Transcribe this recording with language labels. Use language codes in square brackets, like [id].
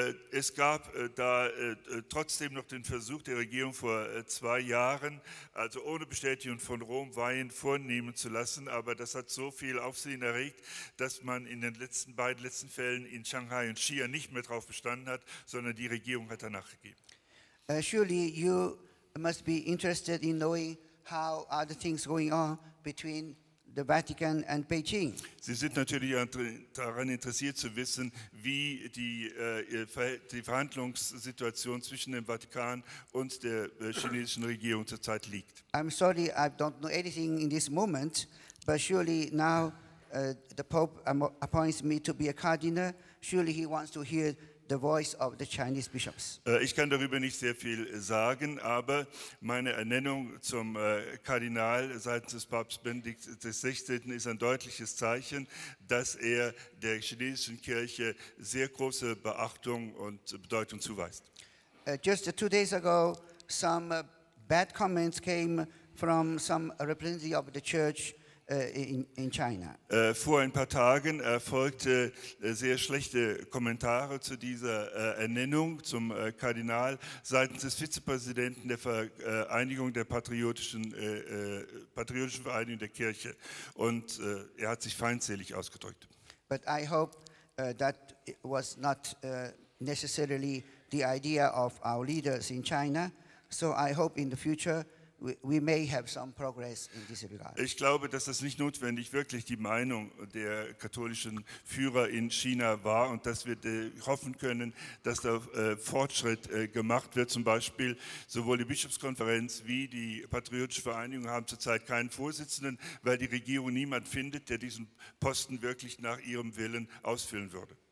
[de] Es gab da trotzdem noch den Versuch der Regierung vor 2 Jahren, also ohne Bestätigung von Rom, Weihen vornehmen zu lassen, aber das hat so viel Aufsehen erregt, dass man in den beiden letzten Fällen in Shanghai und Xi'an nicht mehr drauf bestanden hat, sondern die Regierung hat danach gegeben. [en] Surely you must be interested in knowing how other things going on between the Vatican and Beijing. [de] Sie sind natürlich daran interessiert zu wissen, wie die Verhandlungssituation zwischen dem Vatikan und der chinesischen Regierung zurzeit liegt. [en] I'm sorry, I don't know anything in this moment, but surely now the Pope appoints me to be a cardinal. Surely he wants to hear the voice of the Chinese bishops. [de] Ich kann darüber nicht sehr viel sagen, aber meine Ernennung zum Kardinal seitens des Papst Benedikt XVI. Ist ein deutliches Zeichen, dass er der chinesischen Kirche sehr große Beachtung und Bedeutung zuweist. [en] Just 2 days ago, some bad comments came from some representative of the church in China. [de] Vor ein paar Tagen erfolgte sehr schlechte Kommentare zu dieser Ernennung zum Kardinal seitens des Vizepräsidenten der Vereinigung der patriotischen Vereinigung der Kirche, und er hat sich feindselig ausgedrückt. [en] But I hope that was not necessarily the idea of our leaders in China. So I hope in the future we may have some progress in this regard. [de] Ich glaube, dass es nicht notwendig wirklich die Meinung der katholischen Führer in China war, und dass wir hoffen können, dass da Fortschritt gemacht wird. Zum Beispiel sowohl die Bischofskonferenz wie die Patriotische Vereinigung haben zurzeit keinen Vorsitzenden, weil die Regierung niemand findet, der diesen Posten wirklich nach ihrem Willen ausfüllen würde.